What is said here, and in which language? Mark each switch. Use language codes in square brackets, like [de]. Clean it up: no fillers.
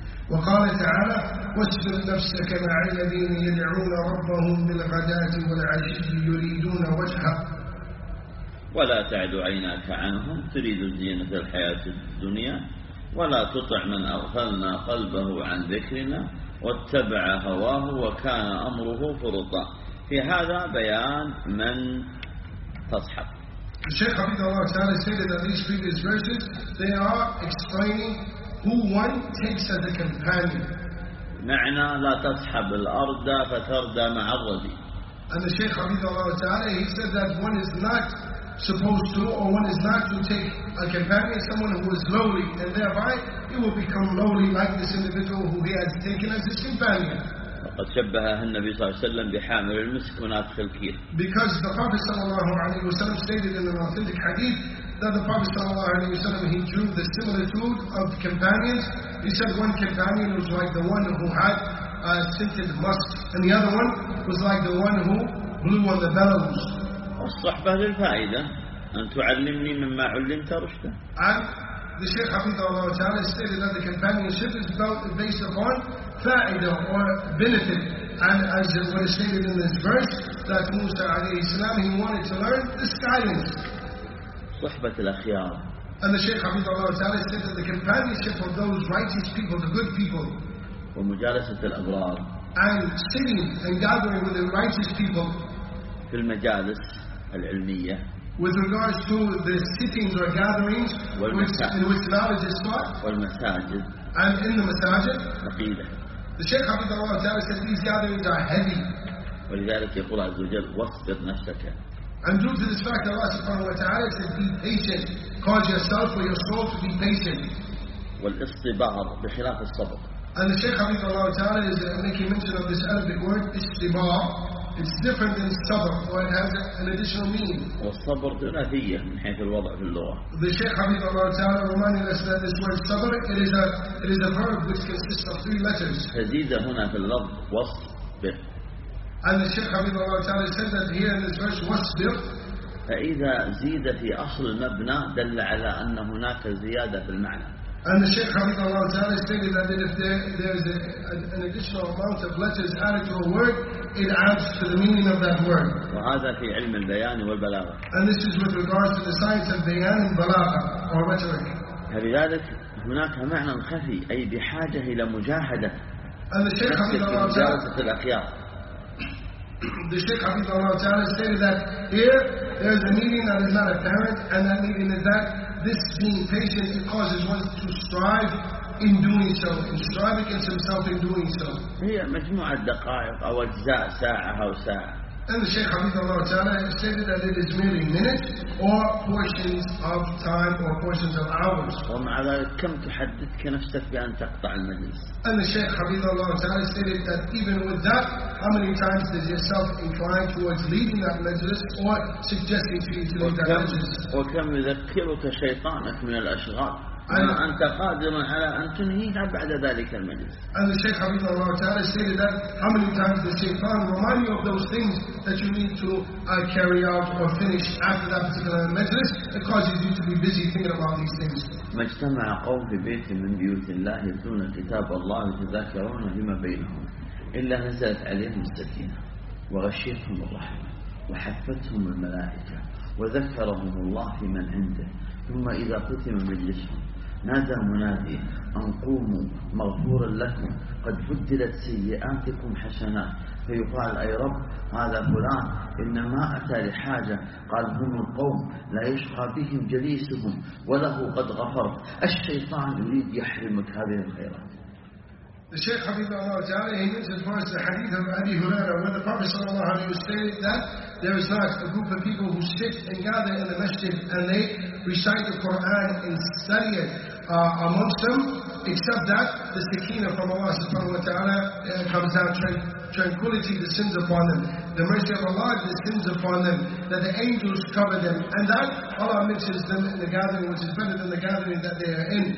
[ar] وقال تعالى: واصبر نفسك مع الذين يدعون ربهم بالغداة والعشي يريدون وجهه. ولا تعد عيناك عنهم تريد زينة الحياة الدنيا، ولا تطع من أغفلنا قلبه عن ذكرنا واتبع هواه وكان أمره فرطا. في هذا بيان من تصحب. [en] الشيخ عبد الله تعالى said that these previous verses, they are explaining who one takes as a companion. [ar] معنى لا تصحب الأرض فتردى مع الردي. [en] And the Shaykh عبد الله تعالى, he said that one is not supposed to, or one is not to take a companion, someone who is lowly, and thereby he will become lowly like this individual who he has taken as his companion. [ar] قد شبهها النبي صلى الله عليه وسلم بحامل المسك وناطق الكير. [en] Because the Prophet [ar] صلى الله عليه وسلم [en] stated in an authentic hadith that the Prophet صلى الله عليه وسلم he drew the similitude of companions. He said one companion was like the one who had scented musk, and the other one was like the one who blew on the bellows. [ar] الصحبة للفائدة أن تعلمني مما علمت رشدا. [en] And the Shaykh [ar] حفظه الله تعالى [en] stated that the companionship is based upon فائدة or benefit, and as it was stated in this verse that Musa [ar] عليه السلام [en] he wanted to learn this guidance. [ar] صحبة الأخيار. [en] And the Shaykh [ar] حفظه الله تعالى [en] said that the companionship of those righteous people, the good people. [ar] ومجالسة الأبرار. [en] And sitting and gathering with the righteous people. [ar] في المجالس العلمية. [en] With regards to the sittings or gatherings in which knowledge is taught. [ar] والمساجد. [en] And in the masajid. [ar] مقيدة. [en] The Shaykh [ar] حفظه الله تعالى [en] said these gatherings are heavy. [ar] ولذلك يقول عز وجل واصبر نفسك. [en] And due to this fact Allah subhanahu wa ta'ala said be patient. Cause yourself or your soul to be patient. [ar] والاصطبار بخلاف الصبر. [en] And the Shaykh [ar] حفظه الله تعالى [en] is making mention of this Arabic word اصطبار. It's different than sabr, or it has an additional meaning. [ar] والصبر ثلاثية من حيث الوضع في اللغة. [en] The Shaykh [ar] حفظه الله تعالى [en] reminded us that this word sabr, it is a verb which consists of three letters. [ar] تزيد هنا في اللفظ واصبر. [en] And the Shaykh [ar] حفظه الله تعالى [en] said that here in this verse واصبر. [ar] فإذا زيد في أصل المبنى دل على أن هناك زيادة في المعنى. [en] And the Shaykh [ar] حفظه الله تعالى [en] stated that if there is an additional amount of letters added to a word, it adds to the meaning of that word. [ar] وهذا في علم البيان والبلاغة. [en] And this is with regards to the science of [ar] بيان البلاغة [en] or rhetoric. [ar] فلذلك هناك معنى خفي أي بحاجة إلى مجاهدة. [en] And the Shaykh [ar] حفظه الله تعالى. [en] The Shaykh حفظه الله تعالى stated that here there is a meaning that is not apparent, and that meaning is that this being patient, it causes one to strive in doing so, and strive against himself in doing so. [ar] هي مجموعة دقائق أو أجزاء ساعة أو ساعة. [en] And the Shaykh [ar] حفظه الله تعالى [en] stated that it is merely minutes or portions of time or portions of hours. [ar] ومع ذلك كم تحدثك نفسك بأن تقطع المجلس. [en] And the Shaykh [ar] حفظه الله تعالى [en] stated that even with that, how many times does yourself incline towards leaving that majlis or suggesting to you to leave that majlis. [ar] وكم يذكرك شيطانك من الأشغال أن أنت قادر على أن تنهيها بعد ذلك المجلس. [en] And the Shaykh [ar] حفظه الله تعالى [en] stated that how many times the Shaytan remind you of those things that you need to carry out or finish after that particular majlis, it causes you to be busy thinking about these things. [ar] ما اجتمع قوم في بيت من بيوت الله يتلون كتاب الله يتذاكرون فيما بينهم إلا نزلت عليهم السكينة وغشيتهم الرحمة وحفتهم الملائكة وذكرهم الله في من عنده ثم إذا ختم مجلسهم نادى منادي أن قوموا مغفور لكم قد بدلت سيئاتكم حسنات. فيقال أي رب هذا فلان إنما أتى لحاجة. قال هم القوم لا يشقى بهم جليسهم وله قد غفرت. الشيطان يريد يحرمك هذه الخيرات. [en] The Shaykh Habibullah Ta'ala, he mentions once the hadith of Abi Huraira, when the Prophet Sallallahu Alaihi Wasallam stated that there is like a group of people who sit and gather in the masjid and they recite the Quran and study it amongst them, except that the Sakina from Allah Subhanahu Wa Ta'ala comes out, tranquility descends upon them, the mercy of Allah descends upon them, that the angels cover them, and that Allah mixes them in the gathering, which is better than the gathering that they are in.